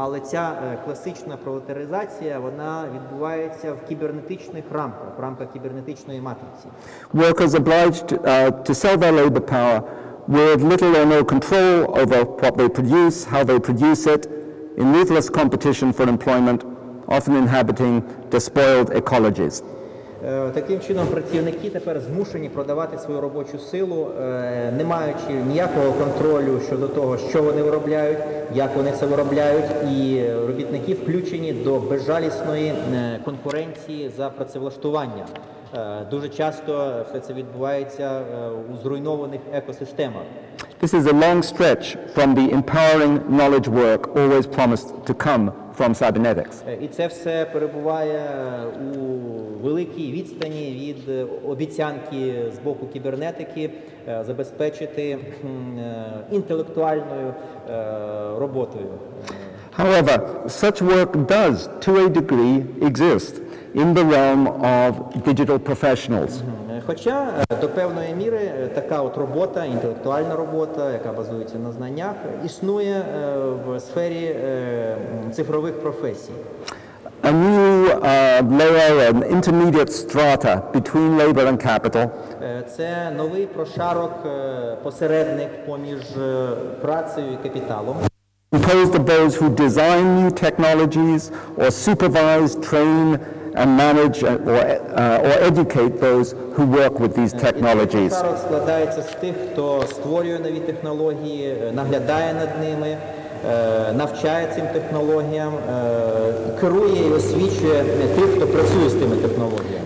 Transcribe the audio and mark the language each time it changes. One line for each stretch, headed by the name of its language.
Ukrainian: Але ця класична пролетаризація, вона відбувається в кібернетичних рамках, в рамках кібернетичної матриці.
English: Workers obliged to sell their labor power with little or no control over what they produce, how they produce it, in ruthless competition for employment, often inhabiting despoiled ecologies.
Ukrainian: Таким чином працівники тепер змушені продавати свою робочу силу, не маючи ніякого контролю щодо того, що вони виробляють, як вони це виробляють, і робітники включені до безжалісної конкуренції за працевлаштування Дуже часто все це відбувається у зруйнованих екосистемах.
English: This is a long stretch from the empowering knowledge work always promised to come from cybernetics.
Ukrainian: І це все перебуває у великій відстані від обіцянки з боку кібернетики забезпечити інтелектуальною роботою.
English: However, such work does, to a degree, exist in the realm of digital professionals.
Ukrainian: Хоча до певної міри така от робота, інтелектуальна робота, яка базується на знаннях, існує в сфері цифрових професій.
English: A new layer, an intermediate strata between labor and capital.
Ukrainian: Це новий прошарок, посередник поміж працею і капіталом.
English: Composed of those who design new technologies or supervise, train and manage or educate those who work with these technologies.
Ukrainian: Цей прошарок складається з тих, хто створює нові технології, наглядає над ними, навчає цим технологіям, керує і освічує тих, хто працює з тими технологіями.